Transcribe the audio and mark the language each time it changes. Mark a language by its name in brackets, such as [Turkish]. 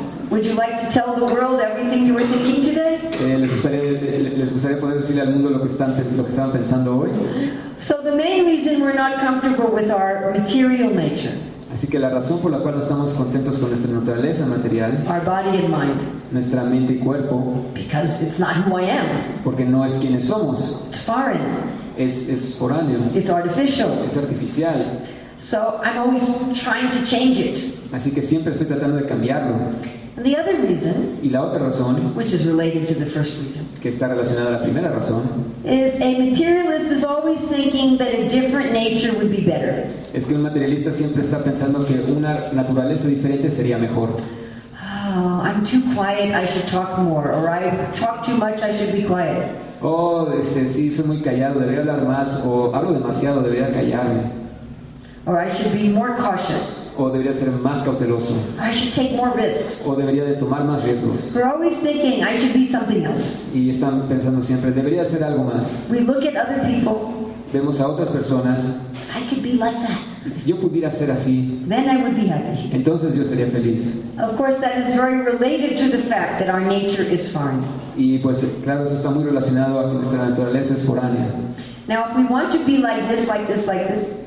[English] Would you like to tell the world everything you were thinking today? [Spanish] Les gustaría poder decirle al mundo lo que estaban pensando hoy. [English] So the main reason we're not comfortable with our material nature. [Spanish] Así que la razón por la cual no estamos contentos con nuestra naturaleza material. [English] Our body and mind. [Spanish] Nuestra mente y cuerpo. [English] Because it's not who I am. [Spanish] Porque no es quienes somos. [English] It's foreign. [Spanish] Es foráneo. [English] It's artificial. [Spanish] Es artificial. [English] So I'm always trying to change it. [Spanish] Así que siempre estoy tratando de cambiarlo. [English] The other reason, [Spanish] y la otra razón, [English] which is related to the first reason, [Spanish] que está relacionada a la primera razón, [English] is a materialist is always thinking that a different nature would be better. [Spanish] Es que un materialista siempre está pensando que una naturaleza diferente sería mejor. [English] Oh, I'm too quiet, I should talk more, or I talk too much, I should be quiet. [Spanish] Oh, sí, soy muy callado, debería hablar más, o hablo demasiado, debería callarme. [English] Or I should be more cautious. [Spanish] O debería ser más cauteloso. [English] I should take more risks. [Spanish] O debería de tomar más riesgos. [English] We're always thinking I should be something else. [Spanish] Y están pensando siempre, debería ser algo más. [English] We look at other people. [Spanish] Vemos a otras personas. [English] I could be like that. [Spanish] Si yo pudiera ser así, [English] then I would be happy. [Spanish] Entonces yo sería feliz. [English] Of course, that is very related to the fact that our nature is foreign. [Spanish] Y pues claro, eso está muy relacionado a que nuestra naturaleza es foránea. [English] Now, if we want to be like this, like this, like this,